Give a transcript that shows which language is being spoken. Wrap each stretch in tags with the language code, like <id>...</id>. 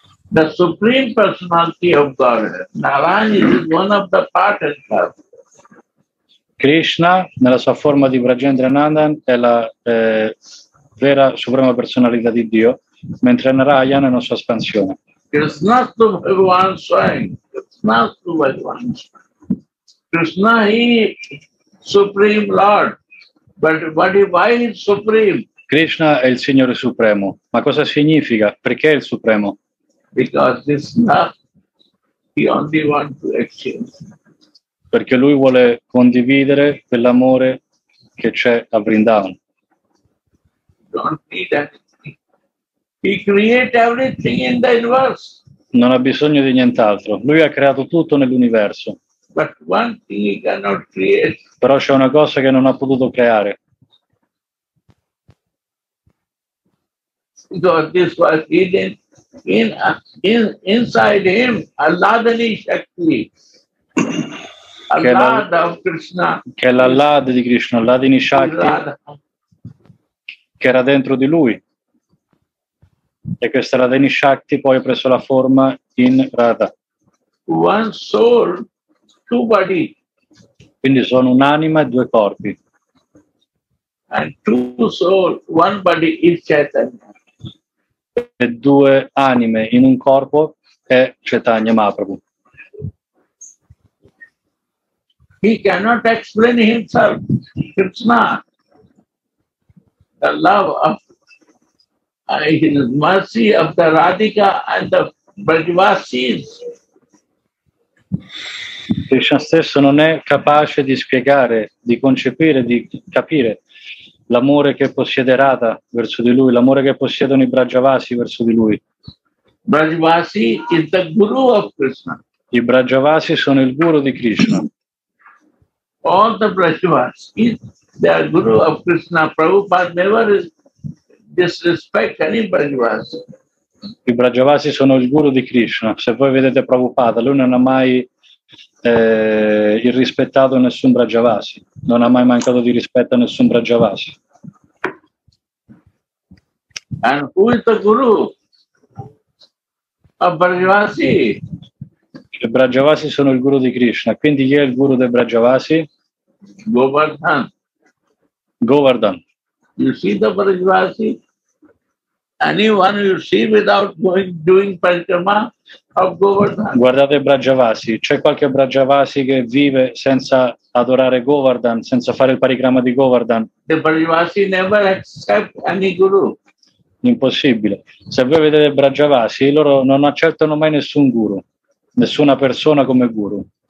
<en>The Supreme Personality of Godhead. Narayan is one of the partners.</en> <it>Krishna, nella sua forma di Brajendra Nandan, è la vera suprema personalità di Dio, mentre Narayan è una sua espansione.</it> <en>Krishna is the Bhagavan Swayam. Krishna is the Bhagavan Swayam. Krishna, he Supreme Lord, but why is Supreme?</en> <it>Krishna è il Signore Supremo, ma cosa significa? Perché è il Supremo?</it> <en>Because this love, he only wants to exchange.</en> <it>Perché lui vuole condividere quell'amore che c'è a Vrindavan.</it> <en>Don't need anything. He create everything in the universe.</en> <it>Non ha bisogno di nient'altro. Lui ha creato tutto nell'universo.</it> <en>But one thing he cannot create.</en> <it>Però c'è una cosa che non ha potuto creare.</it> <en>Because this was hidden inside him, Alladani Shakti. Allada of Krishna.</en> <it>Che è l'Allad di Krishna, Alladani Shakti. Che era dentro di lui. E questa Alladani Shakti poi ha preso la forma in Radha.</it> <en>One soul. Body.</en> <it>Quindi sono un'anima e due corpi.</it> <en>And two soul, one body is Chaitanya.</en> <it>E due anime in un corpo è Chaitanya Mahaprabhu.</it> <en>He cannot explain himself, Krishna. The love of his mercy of the Radhika and the Brajvasis.</en> <it>Krishna stesso non è capace di spiegare, di concepire, di capire l'amore che possiede Radha verso di lui, l'amore che possiedono i Brajavasi verso di lui.</it> <en>Brajavasi is the guru of Krishna.</en> <it>I Brajavasi sono il guru di Krishna.</it> <en>All the Brajavasi, they are guru of Krishna. Prabhupada never disrespect any Brajavasi.</en> <it>I Brajavasi sono il guru di Krishna. Se voi vedete Prabhupada, lui non ha mai irrispettato nessun Brajavasi, non ha mai mancato di rispetto a nessun Brajavasi.</it> <en>And who is the guru of Brajavasi?</en> <it>I Brajavasi sono il guru di Krishna, quindi chi è il guru dei Brajavasi?</it> <en>Govardhan.</en> <it>Govardhan.</it> <en>You see the Brajavasi? Anyone you see without going doing parikrama of Govardhan?</en> <it>Guardate Brajavasi, c'è qualche Brajavasi che vive senza adorare Govardhan, senza fare il parikrama di Govardhan?</it> <en>The Brajavasi never accept any guru.</en> <it>Impossibile. Se voi vedete Brajavasi, loro non accettano mai nessun guru, nessuna persona come guru.</it>